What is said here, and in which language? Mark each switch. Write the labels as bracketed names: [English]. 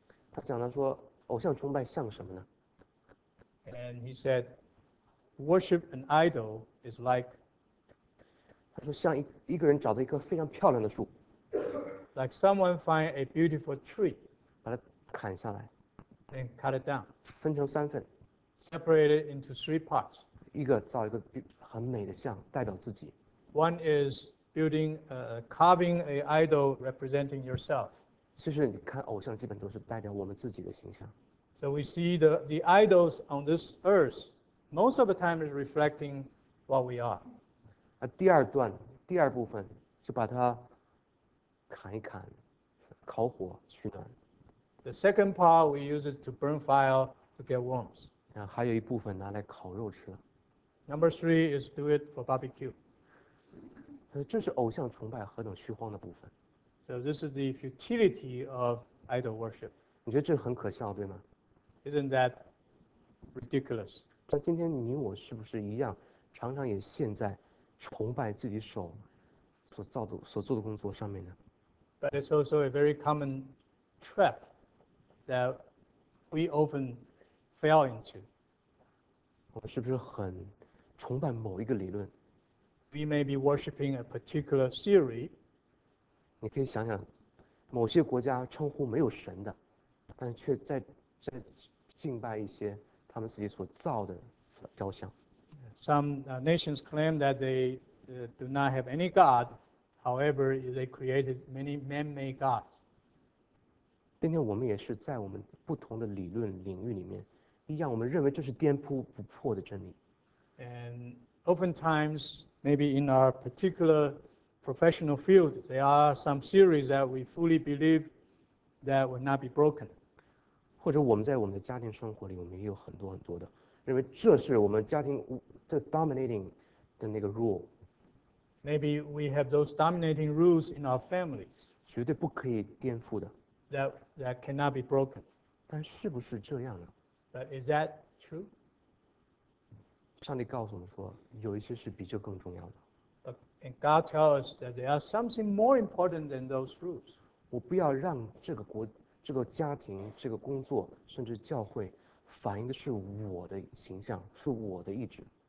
[Chinese] 他讲到说，偶像崇拜像什么呢？ [English] And he said, worship an idol is like. [Chinese] 他说像一个人找到一棵非常漂亮的树。 [English] Like someone find a beautiful tree. [Chinese] 把它砍下来。 [English] And cut it down. [Chinese] 分成三份。 [English] Separated into three parts. [Chinese] 一个造一个很美的像，代表自己。 [English] One is building, carving an idol representing yourself. [Chinese] 其实你看偶像基本都是代表我们自己的形象。 [English] So we see the idols on this earth, most of the time is reflecting what we are. [Chinese] 第二段，第二部分，就把它砍一砍，烤火取暖。 [English] The second part we use it to burn fire to get warmth. [Chinese] 然后还有一部分拿来烤肉吃。 [English] Number three is do it for barbecue. [Chinese] 这是偶像崇拜何等虚荒的部分。 [English] So this is the futility of idol worship. [Chinese] 你觉得这很可笑，对吗？ [English] Isn't that ridiculous? [Chinese] 那今天你我是不是一样，常常也陷在崇拜自己手所做的工作上面呢？ [English] But it's also a very common trap that we often fell into. [Chinese] 我们是不是很崇拜某一个理论？ [English] We may be worshiping a particular theory. [Chinese] 你可以想想，某些国家称呼没有神的，但是却在敬拜一些他们自己所造的雕像。 [English] Some nations claim that they do not have any god. However, they created many man-made gods. [Chinese] 今天我们也是在我们不同的理论领域里面，一样，我们认为这是颠扑不破的真理。 [English] And oftentimes, maybe in our particular professional field, there are some theories that we fully believe that will not be broken. [Chinese] 或者我们在我们的家庭生活里，我们也有很多很多的，认为这是我们家庭的 dominating 的那个 rule. [English] Maybe we have those dominating rules in our families. [Chinese] 绝对不可以颠覆的。 [English] That cannot be broken. [Chinese] 但是不是这样呢？ [English] But is that true? [Chinese] 上帝告诉我们说，有一些是比这更重要的。 [English] And God tells us that there are something more important than those rules. [Chinese] 我不要让这个国、这个家庭、这个工作，甚至教会，反映的是我的形象，是我的意志。